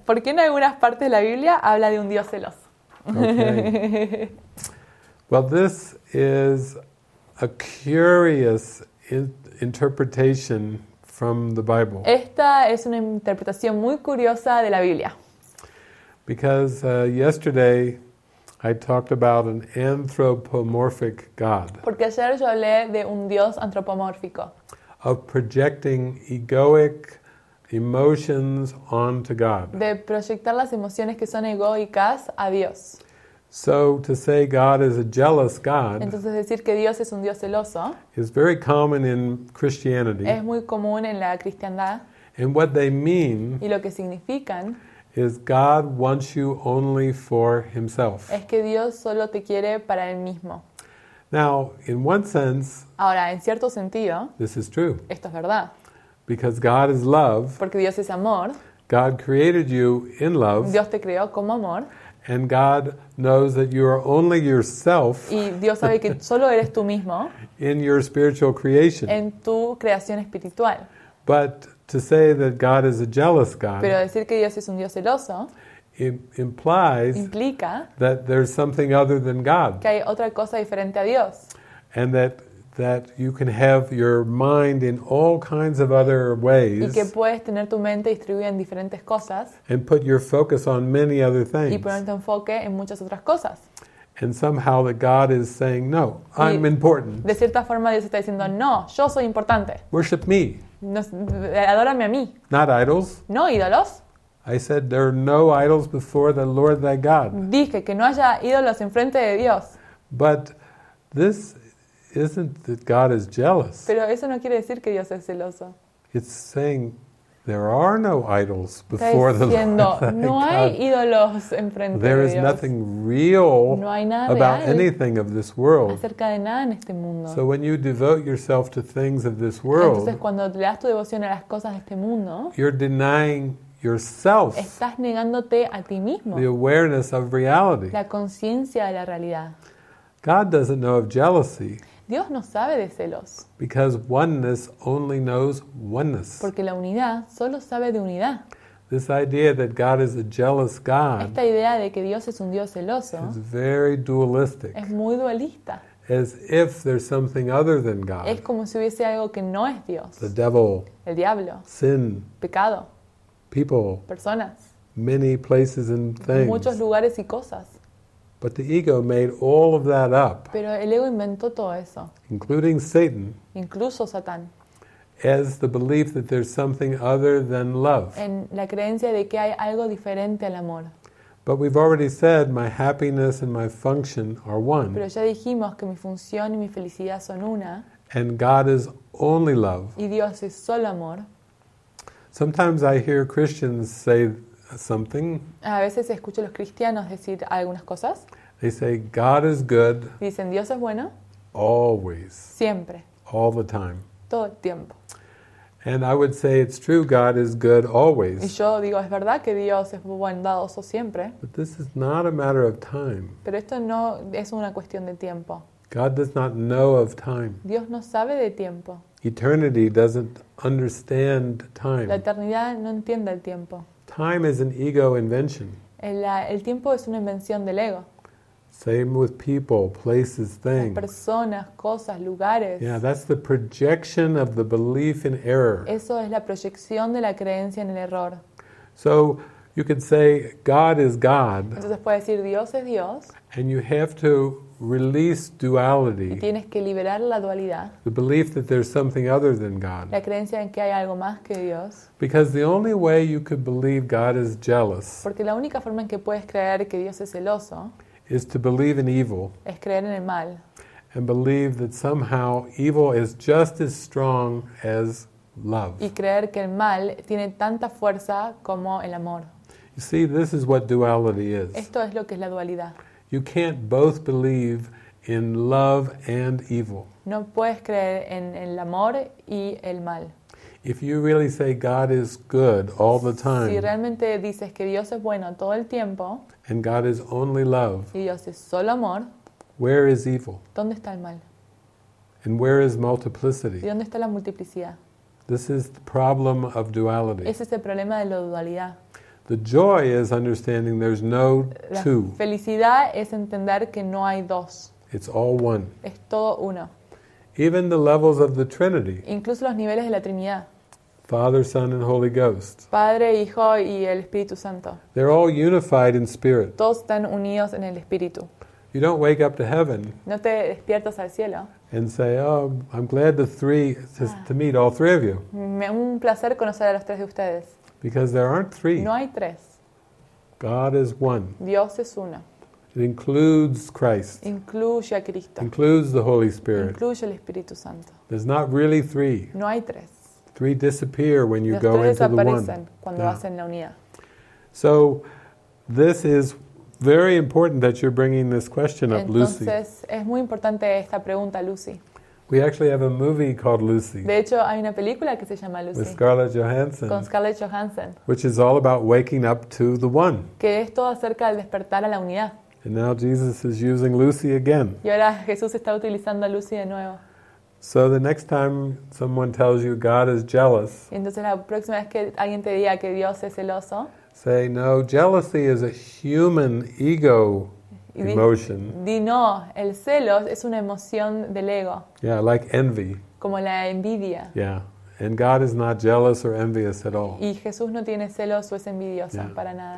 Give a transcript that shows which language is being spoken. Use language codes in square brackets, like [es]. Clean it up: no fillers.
[es] ¿Por qué en algunas partes de la Biblia habla de un Dios celoso? Okay. [en] Well, this is a curious interpretation from the Bible. [es] Esta es una interpretación muy curiosa de la Biblia. [en] Because yesterday I talked about an anthropomorphic God. [es] Porque ayer yo hablé de un Dios antropomórfico. [en] Of projecting egoic emotions onto God. [es] De proyectar las emociones que son egoicas a Dios. [en] So to say God is a jealous God. [es] Entonces decir que Dios es un Dios celoso. [en] Is very common in Christianity. [es] Es muy común en la cristiandad. [en] And what they mean. [es] Y lo que significan. [en] Is God wants you only for Himself. [es] Es que Dios solo te quiere para él mismo. [en] Now, in one sense. [es] Ahora, en cierto sentido. [en] This is true. [es] Esto es verdad. [en] Because God is love. [es] Porque Dios es amor. [en] God created you in love. [es] Dios te creó como amor. [en] And God knows that you are only yourself. [es] Y Dios sabe que solo eres tú mismo. [en] In your spiritual creation. [es] En tu creación espiritual. [en] But to say that God is a jealous God. [es] Pero decir que Dios es un Dios celoso. [en] Implies [es] implica [en] that there's something other than God. [es] Que hay otra cosa diferente a Dios. [en] And that you can have your mind in all kinds of other ways. [es] Y que puedes tener tu mente distribuida en diferentes cosas. [en] And put your focus on many other things. [es] Y poner tu enfoque en muchas otras cosas. [en] And somehow that God is saying, no, I'm important. [es] De cierta forma Dios está diciendo, no, yo soy importante. [en] Worship me. [es] Adórame a mí. [en] Not idols. [es] No ídolos. [en] I said there are no idols before the Lord thy God. [es] Dije que no haya ídolos enfrente de Dios. [en] But this isn't that God is jealous. [es] Pero eso no quiere decir que Dios es celoso. [en] It's saying there are no idols before the Lord. [es] No hay ídolos enfrente de Dios. [en] There is nothing real about anything of this world. [es] Acerca de nada en este mundo. [en] So when you devote yourself to things of this world, [es] entonces cuando le das tu devoción a las cosas de este mundo, [en] you're denying yourself. [es] Estás negándote a ti mismo. [en] The awareness of reality. [es] La conciencia de la realidad. [en] God doesn't know of jealousy. [es] Dios no sabe de celos. [en] Because oneness only knows oneness. [es] Porque la unidad solo sabe de unidad. [en] This idea that God is a jealous God. [es] Esta idea de que Dios es un Dios celoso. [en] Is very dualistic. [es] Es muy dualista. [en] As if there's something other than God. [es] Es como si hubiese algo que no es Dios. [en] The devil. [es] El diablo. [en] Sin. [es] Pecado. [en] People. [es] Personas. [en] Many places and things. [es] Muchos lugares y cosas. [en] But the ego made all of that up. [es] Pero el ego inventó todo eso. [en] Including Satan. [es] Incluso Satán. [en] As the belief that there's something other than love. [es] En la creencia de que hay algo diferente al amor. [en] But we've already said my happiness and my function are one. [es] Pero ya dijimos que mi función y mi felicidad son una. [en] And God is only love. [es] Y Dios es solo amor. [en] Sometimes I hear Christians say something. [es] A veces escucho a los cristianos decir algunas cosas. [en] They say God is good. [es] Dicen Dios es bueno. [en] Always. [es] Siempre. [en] All the time. [es] Todo el tiempo. [en] And I would say it's true God is good always. [es] Y yo digo es verdad que Dios es bondadoso siempre. [en] But this is not a matter of time. [es] Pero esto no es una cuestión de tiempo. [en] God does not know of time. [es] Dios no sabe de tiempo. [en] Eternity doesn't understand time. [es] La eternidad no entiende el tiempo. [en] Time is an ego invention. [es] El tiempo es una invención del ego. [en] Same with people, places, things. [es] Las personas, cosas, lugares. [en] Yeah, that's the projection of the belief in error. [es] Eso es la proyección de la creencia en el error. [en] So you could say God is God. [es] Entonces puedes decir Dios es Dios. [en] And you have to release duality. [es] Y tienes que liberar la dualidad. [en] The belief that there's something other than God. [es] La creencia en que hay algo más que Dios. [en] Because the only way you could believe God is jealous. [es] Porque la única forma en que puedes creer que Dios es celoso. [en] Is to believe in evil. [es] Es creer en el mal. [en] And believe that somehow evil is just as strong as love. [es] Y creer que el mal tiene tanta fuerza como el amor. [en] You see, this is what duality is. [es] Esto es lo que es la dualidad. [en] You can't both believe in love and evil. [es] No puedes creer en el amor y el mal. [en] If you really say God is good all the time. [es] Si realmente dices que Dios es bueno todo el tiempo. [en] And God is only love. [es] Y Dios es solo amor. [en] Where is evil? [es] ¿Dónde está el mal? [en] And where is multiplicity? [es] ¿Y dónde está la multiplicidad? [en] This is the problem of duality. [es] Ese es el problema de la dualidad. [en] The joy is understanding there's no two. [es] La felicidad es entender que no hay dos. [en] It's all one. [es] Es todo uno. [en] Even the levels of the Trinity. [es] Incluso los niveles de la Trinidad. [en] Father, Son, and Holy Ghost. [es] Padre, Hijo y el Espíritu Santo. [en] They're all unified in spirit. [es] Todos están unidos en el Espíritu. [en] You don't wake up to heaven. [es] No te despiertas al cielo. [en] And say, oh, I'm glad the three to meet all three of you. [es] Me un placer conocer a los tres de ustedes. [en] Because there aren't three. [es] No hay tres. [en] God is one. [es] Dios es uno. [en] It includes Christ. [es] Incluye a Cristo. [en] Includes the Holy Spirit. [es] Incluye el Espíritu Santo. [en] There's not really three. [es] No hay tres. [en] Three disappear when you go into the one. [es] Los tres desaparecen cuando hacen la unidad. [en] So, this is very important that you're bringing this question up, Lucy. [es] Entonces, es muy importante esta pregunta, Lucy. [en] We actually have a movie called Lucy. [es] De hecho, hay una película que se llama Lucy. [en] With Scarlett Johansson. [es] Con Scarlett Johansson. [en] Which is all about waking up to the One. [es] Que es todo acerca del despertar a la unidad. [en] And now Jesus is using Lucy again. [es] Y ahora Jesús está utilizando a Lucy de nuevo. [en] So the next time someone tells you God is jealous. [es] Entonces la próxima vez que alguien te diga que Dios es celoso. [en] Say no, jealousy is a human ego. Emotion. [es] No, el celo es una emoción del ego. [en] Yeah, like envy. [es] Como la envidia. [en] Yeah, and God is not jealous or envious at all. [es] Y Jesús no tiene celos o es envidioso para nada.